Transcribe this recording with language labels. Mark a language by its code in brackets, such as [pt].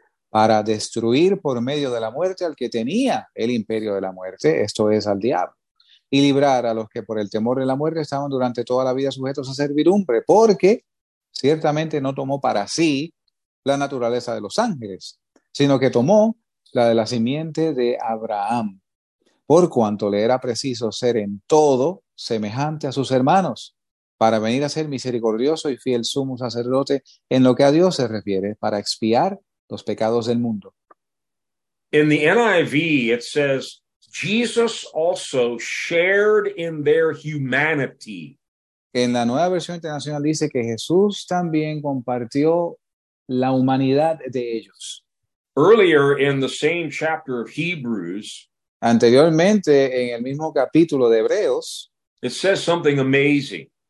[es] para destruir por medio de la muerte al que tenía el imperio de la muerte, esto es, al diablo, y librar a los que por el temor de la muerte estaban durante toda la vida sujetos a servidumbre, porque ciertamente no tomó para sí la naturaleza de los ángeles, sino que tomó la de la simiente de Abraham. Por cuanto le era preciso ser en todo semejante a sus hermanos, para venir a ser misericordioso y fiel sumo sacerdote en lo que a Dios se refiere, para expiar los pecados del mundo. [en] In the NIV, it says, Jesus also shared in their humanity. [es] En la Nueva Versión Internacional dice que Jesús también compartió la humanidad de ellos. [en] Earlier in the same chapter of Hebrews, [es] anteriormente, en el mismo capítulo de Hebreos, [en] it says something amazing.